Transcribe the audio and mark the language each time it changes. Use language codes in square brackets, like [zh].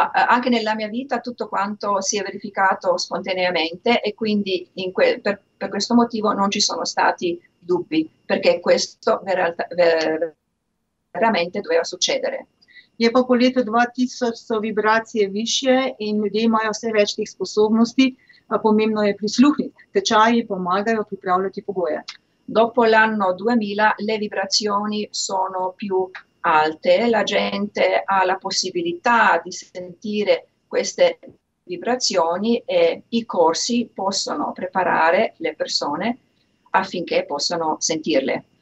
[it] Anche nella mia vita tutto quanto si è verificato spontaneamente e quindi per questo motivo non ci sono stati dubbi, perché questo veramente doveva succedere. [sl] Je pa po letu 2000 so vibracije višje in ljudje imajo vse več teh sposobnosti, a pomembno je prisluhniti. Tečaji pomagajo pripravljati pogoje. [it] Dopo l'anno 2000 le vibrazioni sono più alte, la gente ha la possibilità di sentire queste vibrazioni e i corsi possono preparare le persone affinché possano sentirle.